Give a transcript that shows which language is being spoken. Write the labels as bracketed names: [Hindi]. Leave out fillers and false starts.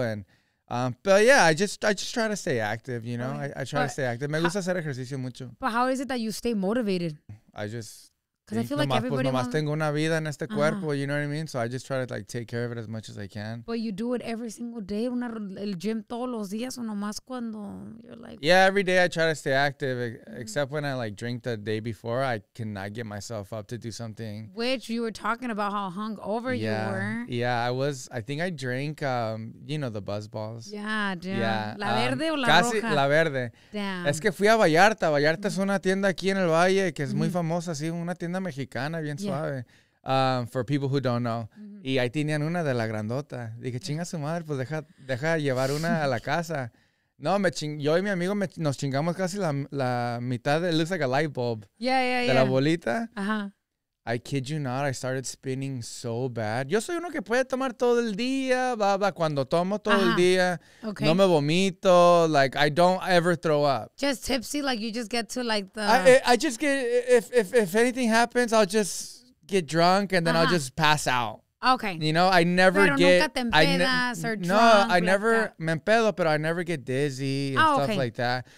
[English] And but yeah, I just try to stay active, you know. Right. I try to stay active. [Spanish] Me gusta hacer ejercicio mucho. [English] But how is it that you stay motivated? Because I feel like everybody [Spanish] nomás tengo una vida en este cuerpo, [English] you know what I mean? So I just try to like take care of it as much as I can. But you do it every single day, [Spanish] el gym todos los días o nomás cuando [English] you're like. Yeah, every day I try to stay active, except when I like drink the day before, I cannot get myself up to do something. Which you were talking about how hungover you were. Yeah, I was. I think I drank, you know, the buzz balls. [Spanish] Yeah, damn. Yeah. La verde o la casi roja. Casi la verde. [English] Damn. [Spanish] Es que fui a Vallarta. Vallarta es una tienda aquí en el Valle que es muy famosa, sí, una tienda mexicana bien suave, [English] for people who don't know. [Spanish] Mm-hmm. Y ahí tenían una de la grandota. Dije, chinga su madre, pues deja llevar una a la casa. No, yo y mi amigo nos chingamos casi la mitad. [English] It looks like a light bulb. Yeah. [Spanish] De la bolita. Uh-huh. [English] I kid you not, I started spinning so bad. [Spanish] Yo soy uno que puede tomar todo el día, cuando tomo todo el día. [English] Okay. [Spanish] No me vomito, [English] like, I don't ever throw up. Just tipsy, like, you just get to, like, the... I just get, if anything happens, I'll just get drunk and then I'll just pass out. Okay. You know, I never [Spanish] pero [English] get... [Spanish] Pero nunca te empedas [English] or drunk. No, I never... Like [Spanish] me empedo, pero [English] I never get dizzy and stuff like that.